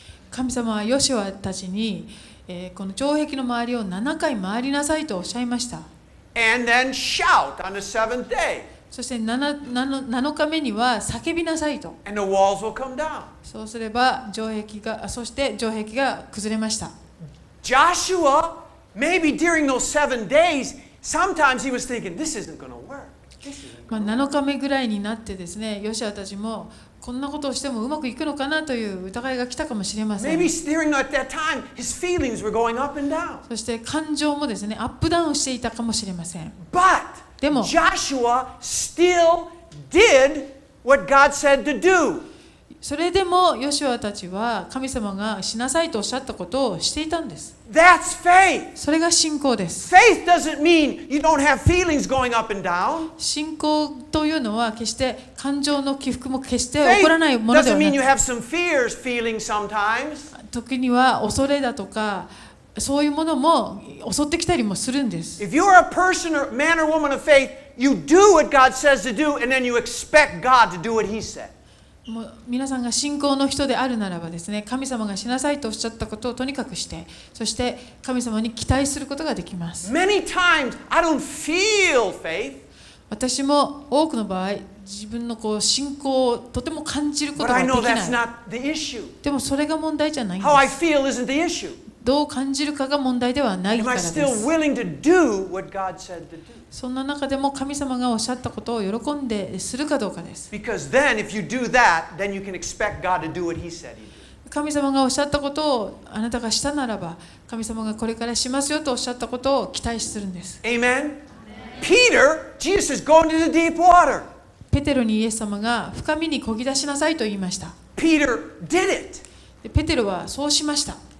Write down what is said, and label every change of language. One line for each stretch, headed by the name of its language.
Japanese: 神様はヨシュアたちに、この城壁の周りを7回回りなさいとおっしゃいました。
English: And then shout on the seventh day.
Japanese: そして7日目には叫びなさいと。
English: And the walls will come down.
Japanese: そうすれば城壁が、そして城壁が崩れました。
English: Joshua, maybe during those seven days, sometimes he was thinking, this isn't going to work.
Japanese: まあ7日目ぐらいになってですね、ヨシアたちもこんなことをしてもうまくいくのかなという疑いが来たかもしれません。
English: Maybe during that time, his feelings were going up and down.
Japanese: そして感情もですね、アップダウンしていたかもしれません。
English: But
Japanese: でも、
English: Joshua still did what God said to do.
Japanese: それでも、ヨシュアたちは神様がしなさいとおっしゃったことをしていたんです。
English: That's faith.
Japanese: それが信仰です。
English: Faith doesn't mean you don't have feelings going up and down.
Japanese: 信仰というのは決して感情の起伏も決して起こらないものではない。
English: Faith doesn't mean you have some fears, feelings sometimes.
Japanese: 時には恐れだとかそういうものも襲ってきたりもするんです。
English: If you're a person or man or woman of faith, you do what God says to do, and then you expect God to do what He said.
Japanese: もう皆さんが信仰の人であるならばですね、神様がしなさいとおっしゃったことをとにかくして、そして神様に期待することができます。
English: Many times I don't feel faith.
Japanese: 私も多くの場合、自分のこう信仰をとても感じることができない。
English: But I know that's not the issue.
Japanese: でもそれが問題じゃないんです。
English: How I feel isn't the issue.
Japanese: どう感じるかが問題ではないからです。
English: Am I still willing to do what God said to do?
Japanese: そんな中でも神様がおっしゃったことを喜んでするかどうかです。
English: Because then, if you do that, then you can expect God to do what He said He did.
Japanese: 神様がおっしゃったことをあなたがしたならば、神様がこれからしますよとおっしゃったことを期待するんです。
English: Amen. Peter, Jesus is going to the deep water.
Japanese: ペテロにイエス様が深みに漕ぎ出しなさいと言いました。
English: Peter did it.
Japanese: で、ペテロはそうしました。